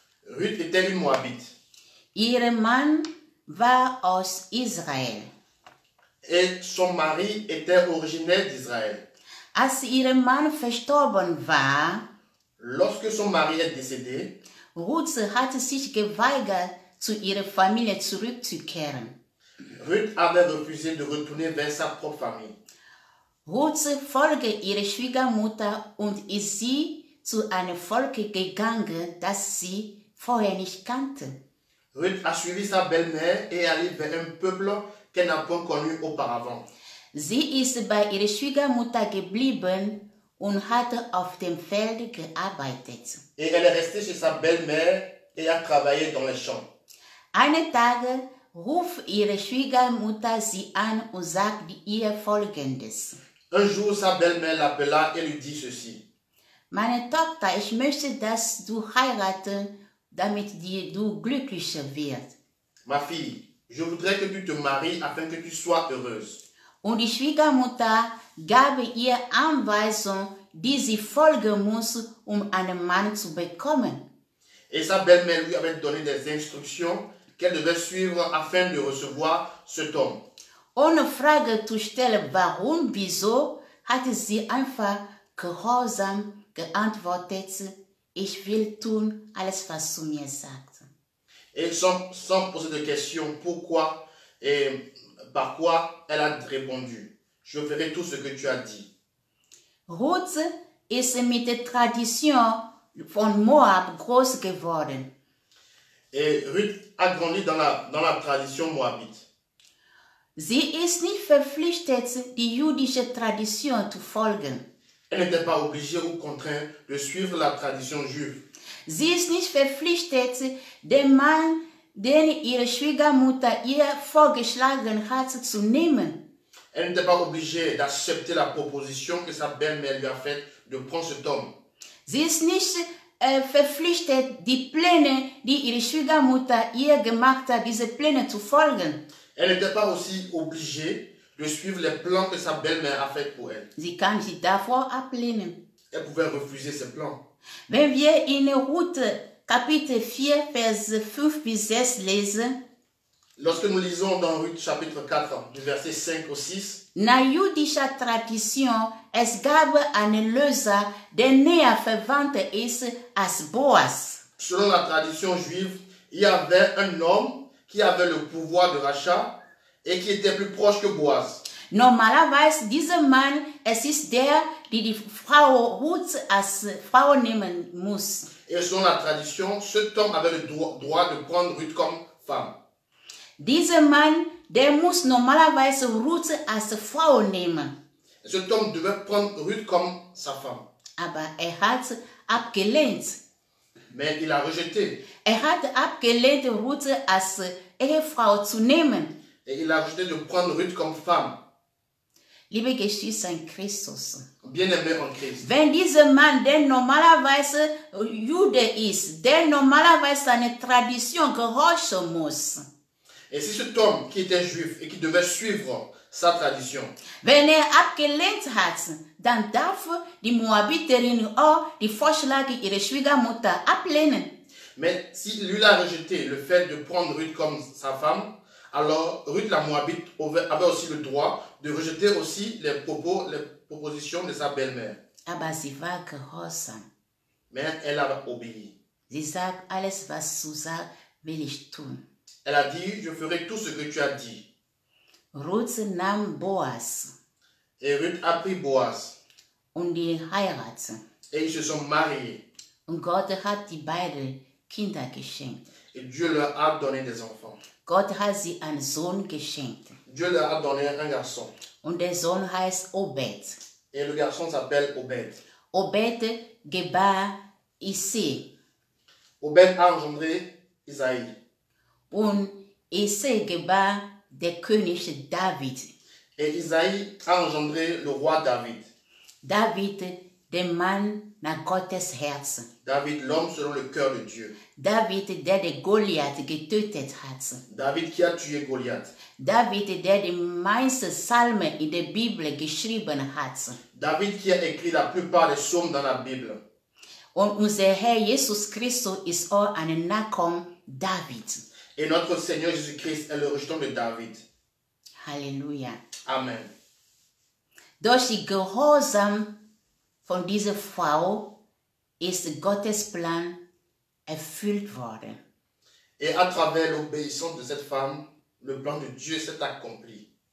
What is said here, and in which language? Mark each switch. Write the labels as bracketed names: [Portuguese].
[French] Ruth était une Moabite. Irman va aux Israël. Et son mari était originaire d'Israël. [German] As Irman verstorben war, [French] lorsque son mari est décédé, [German] Ruth hat sich geweigert, zu ihrer Familie zurückzukehren. [French] Ruth avait refusé de retourner vers sa propre famille. [German] Ruth folgte ihrer Schwiegermutter und ist sie zu einem Volk gegangen, das sie vorher nicht kannte. [French] Ruth a suivi sa belle-mère et allait vers un peuple qu'elle n'a pas connu auparavant. [German] Sie ist bei ihrer Schwiegermutter geblieben und hat auf dem Feld gearbeitet. [French] Et elle est restée chez sa belle-mère et a travaillé dans les champs. [German] Einen Tag ruft ihre Schwiegermutter sie an und sagt ihr Folgendes. [French] Un jour, sa belle-mère l'appela et lui dit ceci. [German] Meine Tochter, ich möchte, dass du heiratest, damit du glücklich wirst. [French] Ma fille, je voudrais que tu te maries afin que tu sois heureuse. [German] Und die Schwiegermutter gab ihr Anweisung, die sie folgen muss, um einen Mann zu bekommen. [French] Et sa belle-mère lui avait donné des instructions qu'elle devait suivre afin de recevoir cet homme. [German] Ohne Frage zu stellen, warum, wieso, hat sie einfach gehorsam geantwortet, ich will tun alles, was du mir sagst. [French] Et sans poser de questions, pourquoi et par quoi, elle a répondu, je ferai tout ce que tu as dit. [German] Ruth ist mit der Tradition von Moab groß geworden. [French] Et Ruth a grandi dans la tradition moabite. [German] Sie ist nicht verpflichtet, die jüdische Tradition zu folgen. [French] Elle n'était pas obligée ou contrainte de suivre la tradition juive. [German] Sie ist nicht verpflichtet, den Mann, den ihre Schwiegermutter ihr vorgeschlagen hat, zu nehmen. [French] Elle n'était pas obligée d'accepter la proposition que sa belle-mère lui a faite de prendre cet homme. [German] Sie ist nicht verpflichtet, die Pläne, die ihre Schwiegermutter ihr gemacht hat, diese Pläne zu folgen. [French] Elle n'était pas aussi obligée de suivre les plans que sa belle-mère a fait pour elle. [German] Sie kann sie davor ablehnen. [French] Elle pouvait refuser ses plans. [German] Wenn wir in Ruth, Kapitel 4, Vers 5 bis 6 lesen, [French] lorsque nous lisons dans Ruth, chapitre 4, du verset 5 au 6, [German] na jüdische Tradition, es gab eine Löser, der näher verwandt ist als Boas. [French] Selon la tradition juive, il y avait un homme qui avait le pouvoir de rachat et qui était plus proche que Boaz. [German] Normalerweise, dieser Mann, es ist der, die die Frau Ruth als Frau nehmen muss. [French] Et selon la tradition, cet homme avait le droit de prendre Ruth comme femme. [German] Dieser Mann, der muss normalerweise Ruth als Frau nehmen. [French] Cet homme devait prendre Ruth comme sa femme. [German] Aber er hat abgelehnt. [French] Mais il a rejeté. [German] Er hat abgelehnt, Ruth als Ehefrau zu nehmen. [French] Et il a rejeté de prendre Ruth comme femme. [German] Liebe Geschwister in Christus. [French] Bien-aimé en Christ. [German] Wenn dieser Mann, der normalerweise Jude ist, der normalerweise seine Tradition gehorchen muss. [French] Et si cet homme qui était juif et qui devait suivre sa tradition. [German] Wenn er abgelehnt hat, dann darf die Moabiterin auch die Vorschläge ihrer Schwiegermutter ablehnen. [French] Mais s'il lui a rejeté le fait de prendre Ruth comme sa femme, alors Ruth la Moabite avait aussi le droit de rejeter aussi les propositions de sa belle-mère. [German] Aber sie war gehorsam. [French] Mais elle a obéi. [German] Sie sagt, alles was du sagst, will ich tun. [French] Elle a dit, je ferai tout ce que tu as dit. [German] Ruth nahm Boas. [French] Et Ruth a pris Boas. [German] Und die Heirat. [French] Et ils se sont mariés. [German] Und Gott hat die beiden Kinder geschenkt. [French] Et Dieu leur a donné des enfants. [German] Gott hat sie einen Sohn geschenkt. [French] Dieu leur a donné un garçon. [German] Und der Sohn heißt Obed. [French] Et le garçon s'appelle Obed. [German] Obed gebar Isaïe. [French] Obed a engendré Isaïe. [German] Und Isaïe gebar der König David. [French] Et Isaïe a engendré le roi David. [German] David, der Mann nach Gottes Herz. [French] David, l'homme selon le cœur de Dieu. [German] David, der den Goliath getötet hat. [French] David qui a tué Goliath. [German] David, der die meisten Psalmen in der Bibel geschrieben hat. [French] David qui a écrit la plupart des psaumes dans la Bible. [German] Und unser Herr Jesus Christus ist auch ein Nachkomme David. [French] Et notre Seigneur Jésus-Christ est le rejeton de David. Alléluia. Amen. [German] Durch die Gehorsam von dieser Frau ist Gottes Plan erfüllt worden. [French] Et à travers l'obéissance de cette femme, le plan de Dieu s'est accompli.